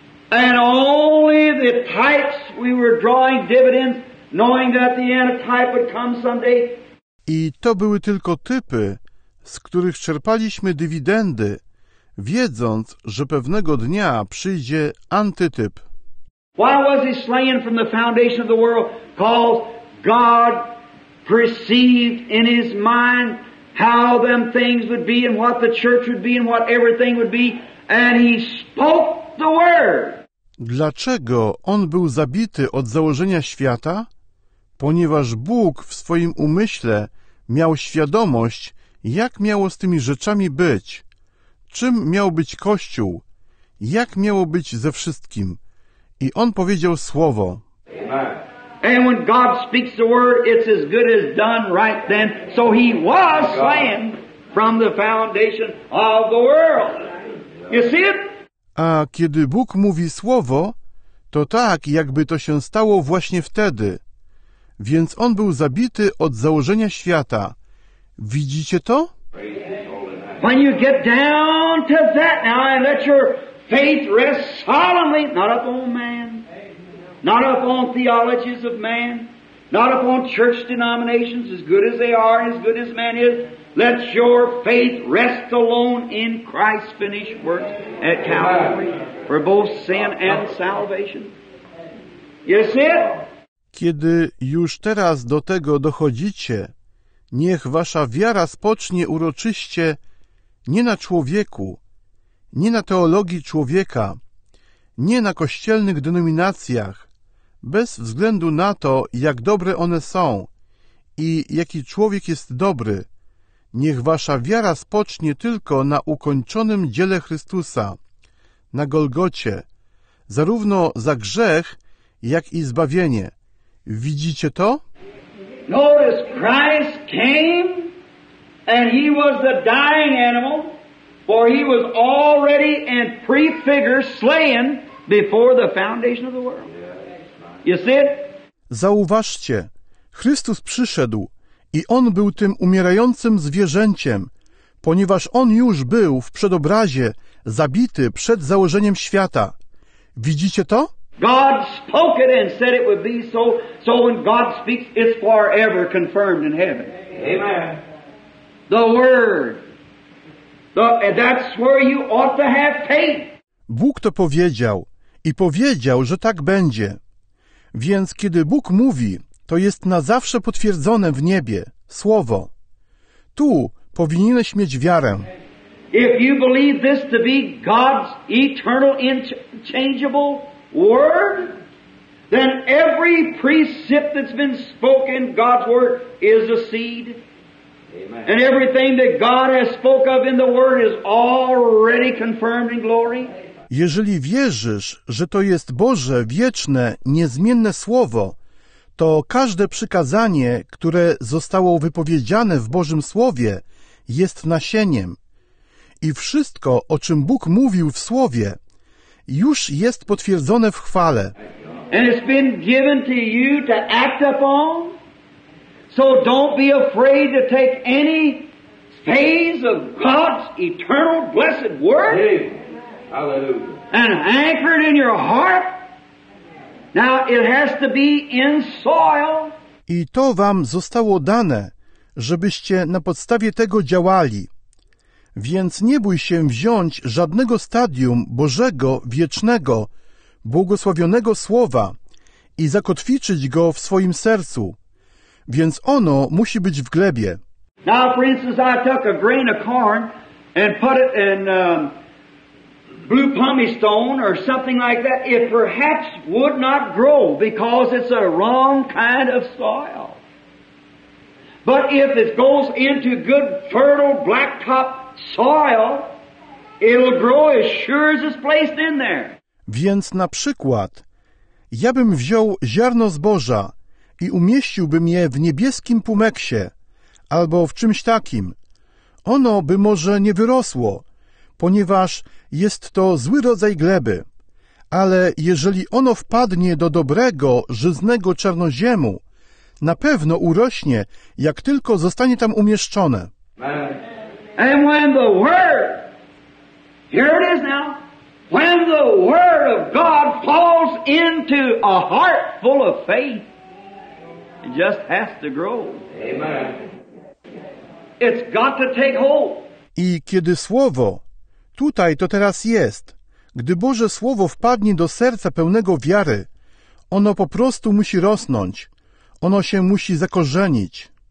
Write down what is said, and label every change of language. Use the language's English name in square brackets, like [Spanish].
[English] And only the types we were drawing dividends, knowing that the antitype would come someday. [Polish] I to były tylko typy, z których czerpaliśmy dywidendy, wiedząc, że pewnego dnia przyjdzie antytyp. [English] Why was he slain from the foundation of the world? Because God perceived in his mind how them things would be and what the church would be and what everything would be, and he spoke the word. [Polish] Dlaczego on był zabity od założenia świata? Ponieważ Bóg w swoim umyśle miał świadomość, jak miało z tymi rzeczami być, czym miał być Kościół, jak miało być ze wszystkim. I on powiedział słowo. [English] And when God speaks the word, it's as good as done right then. So he was slain from the foundation of the world. You see it? [Polish] A kiedy Bóg mówi słowo, to tak, jakby to się stało właśnie wtedy. Więc on był zabity od założenia świata. Widzicie to? [English] When you get down to that now and let your faith rest solemnly, not upon man, not upon theologies of man, not upon church denominations, as good as they are, as good as man is, let your faith rest alone in Christ's finished work at Calvary for both sin and salvation. You see it? [Polish] Kiedy już teraz do tego dochodzicie, niech wasza wiara spocznie uroczyście nie na człowieku, nie na teologii człowieka, nie na kościelnych denominacjach, bez względu na to, jak dobre one są i jaki człowiek jest dobry, niech wasza wiara spocznie tylko na ukończonym dziele Chrystusa, na Golgocie, zarówno za grzech, jak i zbawienie. Widzicie to? [English] Notice Christ came and he was the dying animal, for he was already in prefigure slain before the foundation of the world. You see it? [Polish] Zauważcie, Chrystus przyszedł i on był tym umierającym zwierzęciem, ponieważ on już był w przedobrazie zabity przed założeniem świata. Widzicie to? [English] God spoke it and said it would be so. So when God speaks, it's forever confirmed in heaven. Amen. The word. That's where you ought to have faith. [Polish] Bóg to powiedział i powiedział, że tak będzie. Więc kiedy Bóg mówi, to jest na zawsze potwierdzone w niebie słowo. Tu powinieneś mieć wiarę. [English] If you believe this to be God's eternal, unchangeable word, then every precept that's been spoken, God's word, is a seed. Amen. And everything that God has spoke of in the word is already confirmed in glory. [Polish] Jeżeli wierzysz, że to jest Boże, wieczne, niezmienne słowo, to każde przykazanie, które zostało wypowiedziane w Bożym Słowie, jest nasieniem. I wszystko, o czym Bóg mówił w Słowie, już jest potwierdzone w chwale. [English] And it's been given to you to act upon. So don't be afraid to take any phase of God's eternal blessed word. Hallelujah. And anchor it in your heart. Now it has to be in soil. [Polish] I to wam zostało dane, żebyście na podstawie tego działali. Więc nie bój się wziąć żadnego stadium Bożego, wiecznego, błogosławionego słowa i zakotwiczyć go w swoim sercu. Więc ono musi być w glebie. [English] Now for instance I took a grain of corn and put it in blue pumice stone or something like that, it perhaps would not grow because it's a wrong kind of soil. But if it goes into good fertile blacktop soil, it'll grow as sure as it's placed in there. [Polish] Więc na przykład ja bym wziął ziarno zboża i umieściłbym je w niebieskim pumeksie albo w czymś takim. Ono by może nie wyrosło, ponieważ jest to zły rodzaj gleby, ale jeżeli ono wpadnie do dobrego, żyznego czarnoziemu, na pewno urośnie, jak tylko zostanie tam umieszczone. [English] And when the word, here it is now, when the word of God falls into a heart full of faith, it just has to grow. Amen. It's got to take hold. [Polish] I kiedy słowo, tutaj to teraz jest, gdy Boże Słowo wpadnie do serca pełnego wiary, ono po prostu musi rosnąć, ono się musi zakorzenić.